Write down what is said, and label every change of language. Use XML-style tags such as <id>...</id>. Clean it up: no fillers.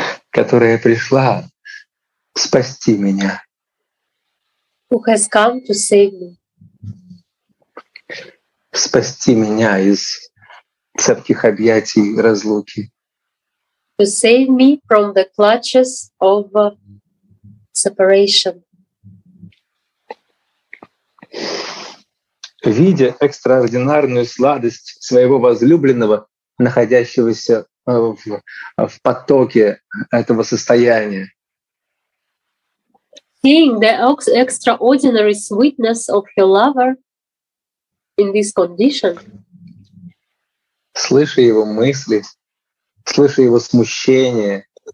<ru>Которая пришла спасти меня.</ru> <en>Who has come to save me.</en> <ru>Спасти меня из цепких объятий разлуки.</ru> <en>To save me from the clutches of separation.</en> <ru>Видя экстраординарную сладость своего возлюбленного, находящегося в потоке этого состояния.</ru> <en>Seeing the extraordinary sweetness of her lover in this condition.</en> <ru>Слыша его мысли, слыша его смущение.</ru>